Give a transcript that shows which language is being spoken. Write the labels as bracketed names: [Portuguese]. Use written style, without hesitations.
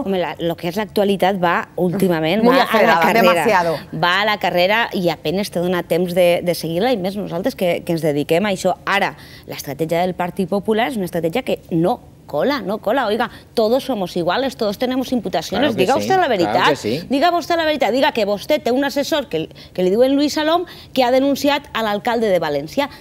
[Spanish] Hombre, lo que es la actualidad va últimamente, va a la carrera y apenas [Catalan] te dona temps de seguirla, y més nosaltres que ens dediquem a això. Ara, la estratègia del Partit Popular és una estratègia que no cola, no cola. [Spanish] Oiga, todos somos iguales, todos tenemos imputaciones. Claro, diga usted [Catalan] la veritat. [Spanish] Diga que usted [Catalan] té un assessor que li diuen Luis Salom, que ha denunciat a l'alcalde de València.